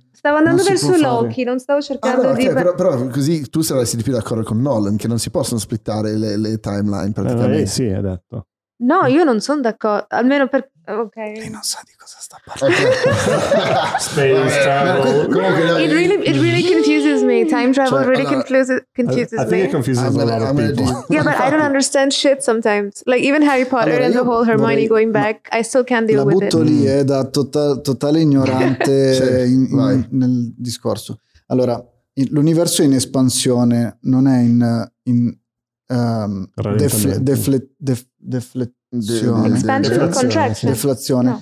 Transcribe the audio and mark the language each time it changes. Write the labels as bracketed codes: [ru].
[it] Stavo andando verso Loki, non stavo cercando Però così tu saresti di più d'accordo con Nolan, che non si possono splittare le timeline praticamente. Sì, ha detto. No, io non sono d'accordo, almeno per... Ok. Lei non sa di cosa sta parlando. [en] Space travel. It really confuses me. Time travel confuses me. I think it confuses a lot of people. Yeah, but I don't understand shit sometimes. Like even Harry Potter and the whole Hermione going back, I still can't deal with it. [it] La butto lì, da totale ignorante nel discorso. Allora, l'universo è in espansione, non è in deflazione.